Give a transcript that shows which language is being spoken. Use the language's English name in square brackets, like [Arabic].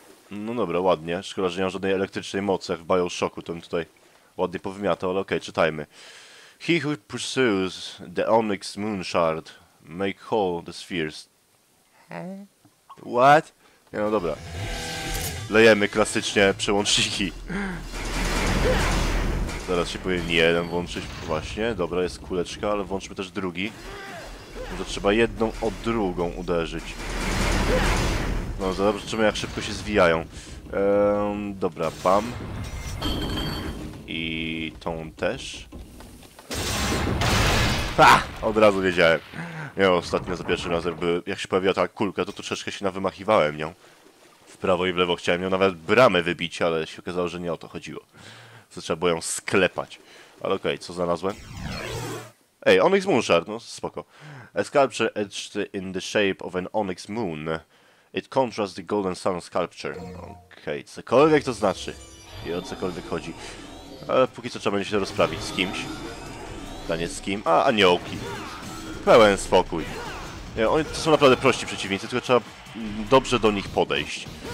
[Polish] No dobra, ładnie. Szkoda, że nie mam żadnej elektrycznej mocy, jak w Bioshocku, to bym tutaj ładnie powymiatał, ale okej, czytajmy. [English] He who pursues the Onyx Moonshard make whole the spheres. What? [Polish] Nie no, dobra. Lejemy klasycznie przełączniki. Zaraz się powinien jeden włączyć. Właśnie, dobra, jest kuleczka, ale włączmy też drugi. To trzeba jedną o drugą uderzyć. No, zobaczymy, jak szybko się zwijają. Dobra, bam. I tą też. Ha! Od razu wiedziałem. Ja ostatnio za pierwszym razem, jak się pojawiła ta kulka, to troszeczkę się nawymachiwałem nią. W prawo i w lewo chciałem ją nawet bramę wybić, ale się okazało, że nie o to chodziło. Trzeba było ją sklepać. Ale okej, co znalazłem? Ej, Onyx Moonshard, no spoko. [English] A sculpture etched in the shape of an Onyx Moon. It contrasts the Golden Sun Sculpture. [Polish] Okej, cokolwiek to znaczy. I o cokolwiek chodzi. Ale póki co trzeba będzie się to rozprawić z kimś. Pytanie z kim? A, aniołki. Pełen spokój. Nie, oni to są naprawdę prości przeciwnicy, tylko trzeba dobrze do nich podejść.